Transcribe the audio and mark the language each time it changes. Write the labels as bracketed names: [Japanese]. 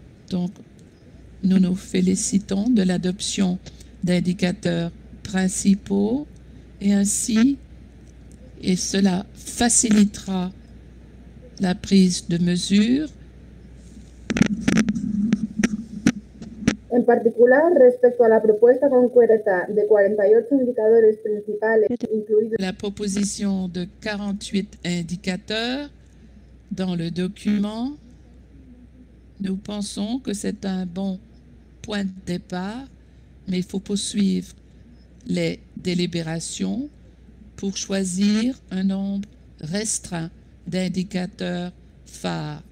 [French] Donc, nous nous félicitons de l'adoption d'indicateurs principaux et ainsi, et cela facilitera la prise de mesures. [Spanish] En particular, respecto a la propuesta concreta de 48 indicadores principales, incluidos... [French] La proposition de 48 indicateurs dans le document, nous pensons que c'est un bon point de départ, mais il faut poursuivre les délibérations pour choisir un nombre restreint d'indicateurs phares.